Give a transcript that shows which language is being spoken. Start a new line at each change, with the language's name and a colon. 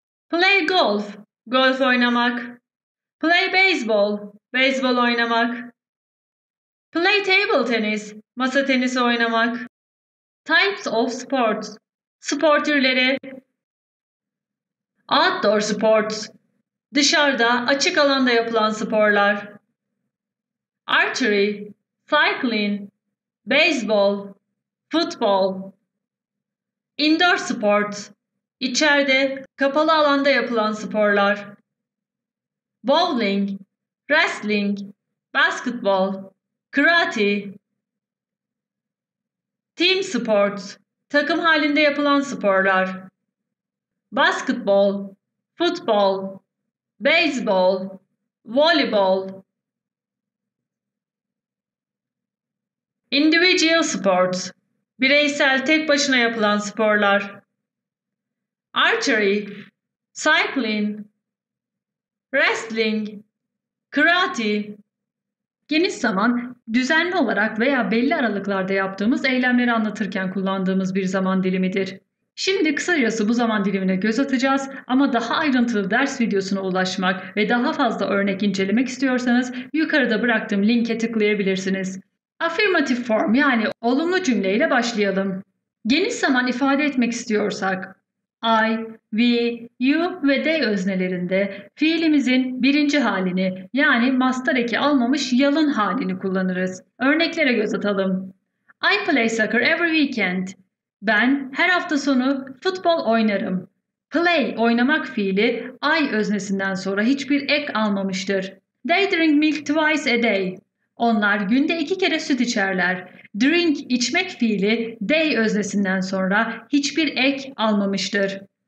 English: Play golf,
Turkish: golf oynamak.
English: Play baseball,
Turkish: beyzbol oynamak.
English: Play table tennis,
Turkish: masa tenisi oynamak.
English: Types of sports,
Turkish: spor türleri.
English: Outdoor sports,
Turkish: dışarıda, açık alanda yapılan sporlar.
English: Archery, cycling, baseball, football. Indoor sports,
Turkish: içeride, kapalı alanda yapılan sporlar.
English: Bowling, wrestling, basketbol, karate. Team sports,
Turkish: takım halinde yapılan sporlar. Basketbol, futbol, baseball, voleybol.
English: Individual sports,
Turkish: bireysel, tek başına yapılan sporlar.
English: Archery, cycling, wrestling, karate.
Turkish: Geniş zaman, düzenli olarak veya belli aralıklarda yaptığımız eylemleri anlatırken kullandığımız bir zaman dilimidir. Şimdi kısacası bu zaman dilimine göz atacağız ama daha ayrıntılı ders videosuna ulaşmak ve daha fazla örnek incelemek istiyorsanız yukarıda bıraktığım linke tıklayabilirsiniz.
English: Affirmative form,
Turkish: yani olumlu cümleyle başlayalım. Geniş zaman ifade etmek istiyorsak I, we, you ve they öznelerinde fiilimizin birinci halini, yani mastar eki almamış yalın halini kullanırız. Örneklere göz atalım.
English: I play soccer every weekend.
Turkish: Ben her hafta sonu futbol oynarım. Play, oynamak fiili I öznesinden sonra hiçbir ek almamıştır.
English: They drink milk twice a day.
Turkish: Onlar günde iki kere süt içerler. Drink, içmek fiili they öznesinden sonra hiçbir ek almamıştır.